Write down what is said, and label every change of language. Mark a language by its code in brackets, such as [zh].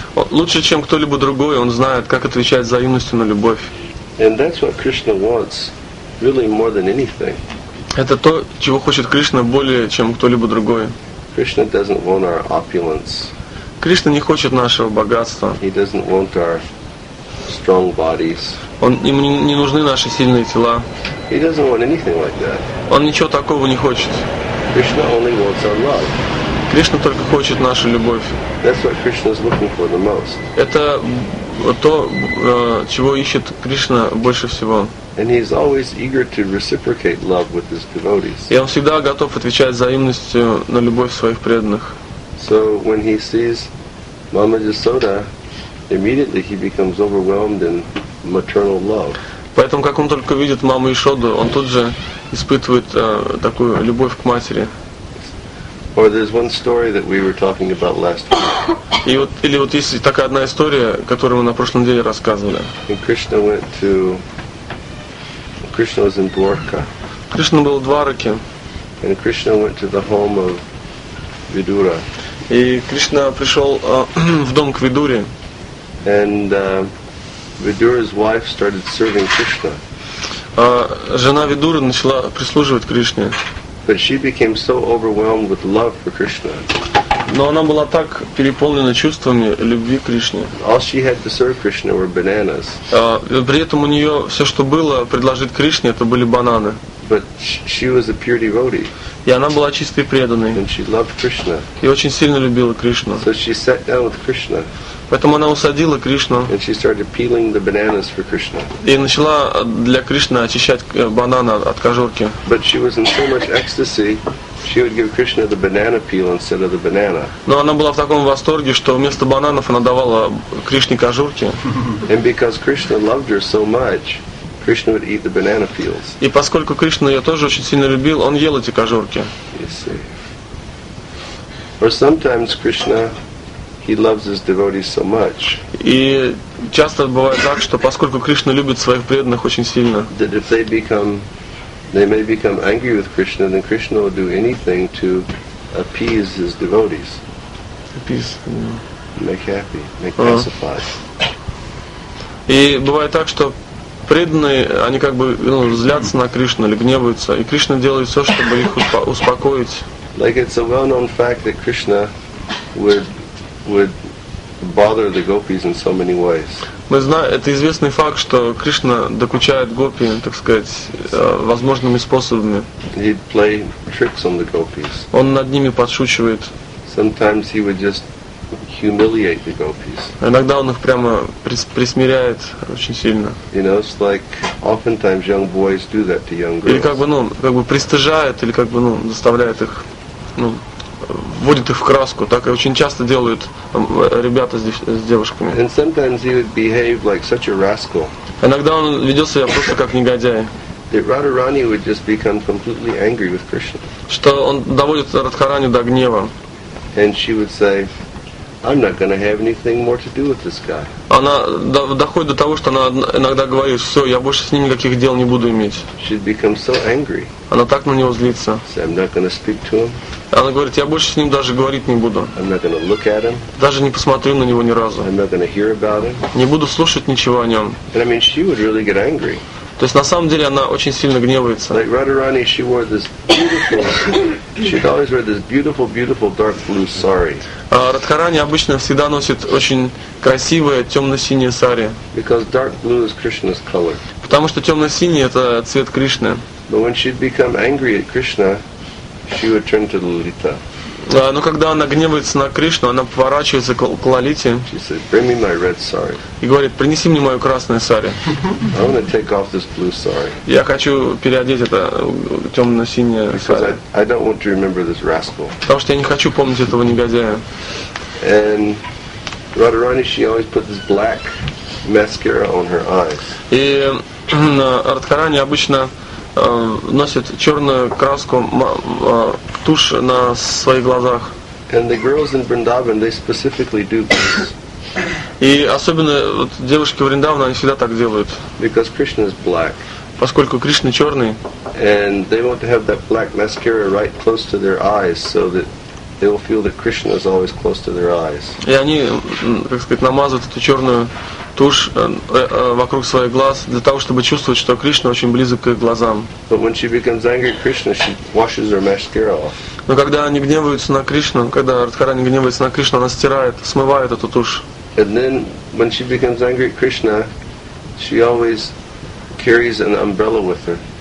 [ru] Лучше, чем кто-либо другой, он знает, как отвечать взаимностью на любовь. [en] And that's what Krishna wants, really more than anything. [ru] Это то, чего хочет Кришна более, чем кто-либо другой. [en] Krishna doesn't want our opulence. [ru] Кришна не хочет нашего богатства. [en] He doesn't want our strong bodies. [ru] Ему не нужны наши сильные тела. [en] He doesn't want anything like that. [ru] Он ничего такого не хочет. [en] Krishna only wants our love. [ru] Кришна только хочет нашу любовь. [en] That's what Krishna is looking for the most. [ru] Это то, чего ищет Кришна больше всего. [en] And he is always eager to reciprocate love with his devotees. [ru] И он всегда готов отвечать взаимностью на любовь своих преданных. [en] So when he sees Mama Yasoda, immediately he becomes overwhelmed in maternal love. [ru] Поэтому, как он только видит маму Ишоду, он тут же испытывает такую любовь к матери. [en] Or there's one story that we were talking about last week. [ru] И вот или вот есть такая одна история, которую мы на прошлом деле рассказывали. [en] When Krishna went to Krishna was in Dwarka. [ru] Кришна был в Двараке. [en] And Krishna went to the home of Vidura. [ru] И Кришна пришел в дом к Видуре. [en] And Vidura's wife started serving Krishna. [ru] Жена Видуры начала прислуживать Кришне. [en] But she became so overwhelmed with love for Krishna. [ru] Но она была так переполнена чувствами любви к Кришне. [en] All she had to serve Krishna were bananas. [ru] При этом у нее все, что было предложить Кришне, это были бананы. [en] But she was a pure devotee. [ru] И она была чистой преданной. [en] And she loved Krishna. [ru] И очень сильно любила Кришну. [en] So she sat down with Krishna. [ru] Поэтому она усадила Кришну. [en] And she started peeling the bananas for Krishna. [ru] И начала для Кришны очищать бананы от кожурки. [en] But she was in so much ecstasy. She would give Krishna the banana peel instead of the banana. [ru] Но она была в таком восторге, что вместо бананов она давала Кришне кожурки. [en] And because Krishna loved her so much, Krishna would eat the banana peels. [ru] И поскольку Кришна ее тоже очень сильно любил, он ел эти кожурки. [en] Yes. Or sometimes Krishna, he loves his devotees so much. [ru] И часто бывает так, что поскольку Кришна любит своих преданных очень сильно, [en] that if they may become angry with Krishna, then Krishna will do anything to appease his devotees. Make happy, make pacify. [ru] И бывает так, что преданные, они как бы злятся на Кришну или гневаются, и Кришна делает все, чтобы их успокоить. [en] Like it's a well-known fact that Krishna would bother the gopis in so many ways. [ru] Мы знаем, это известный факт, что Кришна докучает гопи, так сказать, возможными способами. [en] He'd play tricks on the gopis. [ru] Он над ними подшучивает. [en] Sometimes he would just humiliate the gopis. [ru] Иногда он их прямо присмиряет очень сильно. [en] You know, it's like oftentimes young boys do that to young girls. [ru] Или как бы пристыжает, или как бы заставляет их, вводит их в краску, так и очень часто делают ребята с девушками. [en] And sometimes he would behave like such a rascal. [ru] Иногда он ведет себя просто как негодяй. [en] That Radharani would just become completely angry with Krishna. [ru] Что он доводит Радхарани до гнева. [en] And she would say, I'm not going to have anything more to do with this guy. [ru] Она доходит до того, что она иногда говорит: "Все, я больше с ним никаких дел не буду иметь". [en] She'd become so angry. [ru] Она так на него злится. [en] So I'm not going to speak to him. [ru] Она говорит: "Я больше с ним даже говорить не буду. [en] I'm not going to look at him. [ru] Даже не посмотрю на него ни разу. [en] I'm not going to hear about him. [ru] Не буду слушать ничего о нем". [en] And I mean, she would really get angry. [ru] То есть на самом деле она очень сильно гневается. [en] Like Radharani, she wore this beautiful, she'd always wear this beautiful, beautiful dark blue sari. [ru] Радхарани обычно всегда носит очень красивое темно-синее сари. [en] Because dark blue is Krishna's color. [ru] Потому что темно-синий это цвет Кришны. [en] But when she'd become angry at Krishna, she would turn to Lalita. [ru] Но когда она гневается на Кришну, она поворачивается к Лалите. [en] She said, "Bring me my red sari." [ru] И говорит: "Принеси мне мою красную сари". [en] I want to take off this blue sari. [ru] Я хочу переодеть это темно-синее сари. [en] I don't want to remember this rascal. [ru] Потому что я не хочу помнить этого негодяя. [en] And Radharani, she always put this black mascara on her eyes. [ru] И Радхарани обычно носит черную краску тушь на своих глазах. [en] And the girls in Vrindavan, they specifically do this. [ru] И особенно вот девушки в Вриндаване, они всегда так делают. [en] Because Krishna is black. [ru] Поскольку Кришна черный. [en] And they want to have that black mascara right close to their eyes so that they will feel that Krishna is always close to their eyes. [ru] И они, как сказать, намазывают эту черную тушь вокруг своих глаз для того, чтобы чувствовать, что Кришна очень близок к их глазам. [en] But when she becomes angry, Krishna she washes her mascara off. [ru] Но когда они гневаются на Кришну, когда Радхарани гневается на Кришну, она стирает, смывает эту тушь. [en] And then when she becomes angry at Krishna, she always carries an umbrella with her.